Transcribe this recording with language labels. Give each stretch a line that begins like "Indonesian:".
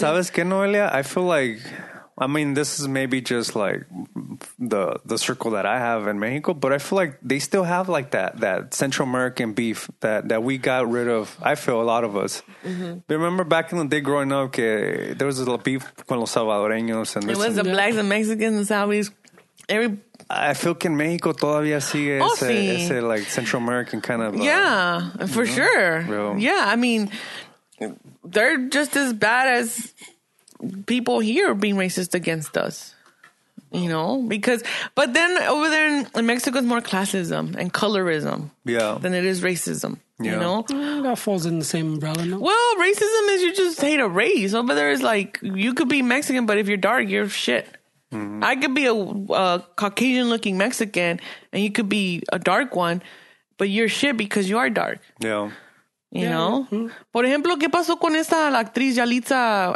English: Pero sabes que, Noelia, I feel like, I mean, this is maybe just like the circle that I have in Mexico, but I feel like they still have like that Central American beef that we got rid of. I feel a lot of us. Mm-hmm. Remember back in the day growing up, que there was a little beef con los salvadoreños. And it was the blacks and Mexicans and Saudis. I feel que en Mexico todavía sigue ese like Central American kind of. Yeah, for sure. Yeah, I mean, they're just as bad as people here being racist against us, you know, but then over there in Mexico is more classism and colorism than it is racism, you know. That falls in the same umbrella. No? Well, racism is you just hate a race. Over there is like, you could be Mexican, but if you're dark, you're shit. Mm-hmm. I could be a Caucasian looking Mexican and you could be a dark one, but you're shit because you are dark. Yeah. You know? Mm-hmm.
Spanish: Por ejemplo, ¿qué pasó con esta la actriz Yalitza?